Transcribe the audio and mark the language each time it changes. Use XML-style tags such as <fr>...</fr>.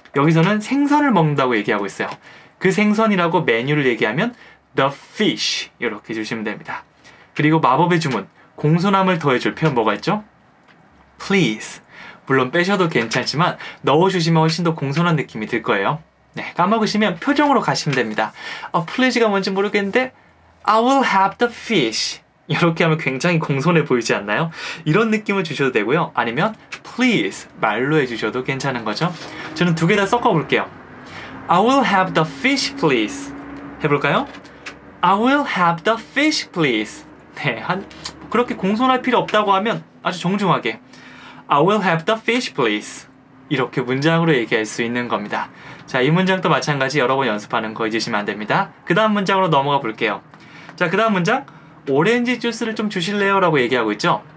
<ko>여기서는 생선을 먹는다고 얘기하고 있어요. 그 생선이라고 메뉴를 얘기하면</ko> <en>the fish</en> <ko>이렇게 해주시면 됩니다. 그리고 마법의 주문, 공손함을 더해줄 표현 뭐가 있죠?</ko> <en>please.</en> <ko>물론 빼셔도 괜찮지만 넣어주시면 훨씬 더 공손한 느낌이 들 거예요. 네, 까먹으시면 표정으로 가시면 됩니다.</ko> <en>Please가</en> <ko>뭔지 모르겠는데</ko> <en>I will have the fish.</en> <ko>이렇게 하면 굉장히 공손해 보이지 않나요? 이런 느낌을 주셔도 되고요. 아니면 please 말로 해주셔도 괜찮은 거죠. 저는 두 개 다 섞어볼게요.</ko> <en>I will have the fish please.</en> <ko>해볼까요?</ko> <en>I will have the fish please.</en> <ko>네, 그렇게 공손할 필요 없다고 하면 아주 정중하게</ko> <en>I will have the fish, please.</en> <ko>이렇게 문장으로 얘기할 수 있는 겁니다. 자, 이 문장도 마찬가지 여러 번 연습하는 거 잊으시면 안 됩니다. 그 다음 문장으로 넘어가 볼게요. 자, 그 다음 문장, 오렌지 주스를 좀 주실래요? 라고 얘기하고 있죠?</ko>